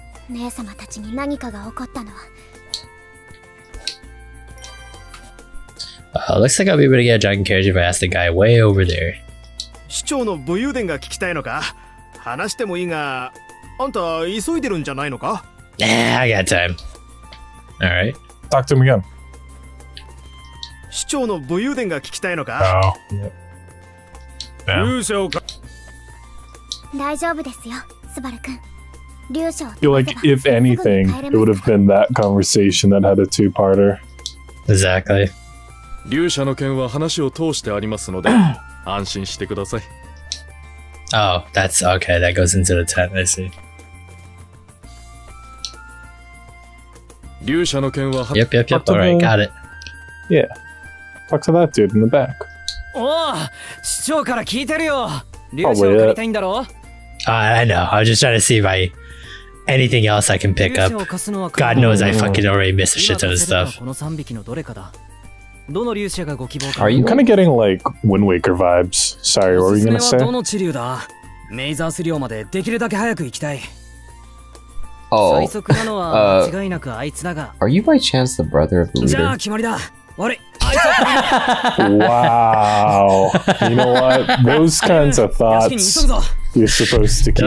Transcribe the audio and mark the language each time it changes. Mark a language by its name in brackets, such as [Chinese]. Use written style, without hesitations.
[Japanese] 姉様たちに何かが起こったのは。 [English] Looks like I'll be able to get a dragon carriage if I ask the guy way over there. [Japanese] 市長の武勇伝が聞きたいのか。話してもいいが、あんた急いでるんじゃないのか。 [English] Yeah, I got time. All right. Talk to him again. [Japanese] 市長の武勇伝が聞きたいのか。 Oh. 勇者か。大丈夫ですよ、スバル君。勇者。 [English] You like if anything, it would have been that conversation that had a two-parter. Exactly. [Japanese] 勇者の件は話を通してありますので安心してください。 [English] Oh, that's okay. That goes into the tent. I see. [Japanese] 勇者の件は [English] 話。Yep. All right, got it. Yeah. Talk to that dude in the back. [Japanese] Oh, 市長から聞いてるよ。勇者を借りたいんだろう。 [English] I know. I'm just trying to see if I anything else I can pick up. God knows I fucking already missed a shit ton of stuff. [Japanese] この三匹のどれかだ。どの竜がご希望か。 [English] I'm kind of getting like Wind Waker vibes. Sorry, what were you gonna say? [Japanese] どの地流だ。メイザース領までできるだけ早く行きたい。 [English] Oh. [Japanese] 最速なのは間違いなくあいつだが。 [English] Are you by chance the brother of the leader? [Japanese] じゃあ決まりだ。あれ。 [English] Wow. You know what? Those kinds of thoughts you're supposed to keep inside.